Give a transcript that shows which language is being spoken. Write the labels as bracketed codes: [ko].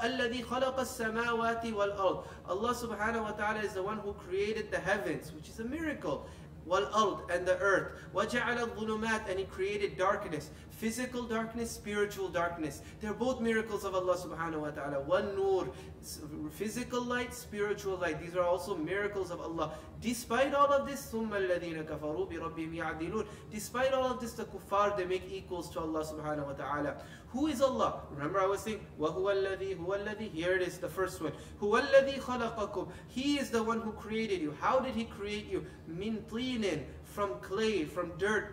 [ar] Alladhi khalaqa as-samawati wal-ard. [en] Allah subhanahu wa ta'ala is the one who created the heavens, which is a miracle. [ar] وَالْأَرْضِ [en] and the earth. [ar] وَجَعَلَ الظُّلُمَاتِ [en] and He created darkness. Physical darkness, spiritual darkness. They're both miracles of Allah subhanahu wa ta'ala. [ar] وَالنُّورِ [en] physical light, spiritual light. These are also miracles of Allah. Despite all of this, [ar] ثُمَّ الَّذِينَ كَفَرُوا بِرَبِّهِمْ يَعْدِلُونَ. [en] Despite all of this, the kuffar, they make equals to Allah subhanahu wa ta'ala. Who is Allah? Remember I was saying, [ar] وَهُوَ الَّذِي, [en] here it is, the first one. [ar] هُوَ الَّذِي خَلَقَكُمْ. [en] He is the one who created you. How did He create you? [ar] مِنْ طِينٍ, [en] from clay, from dirt.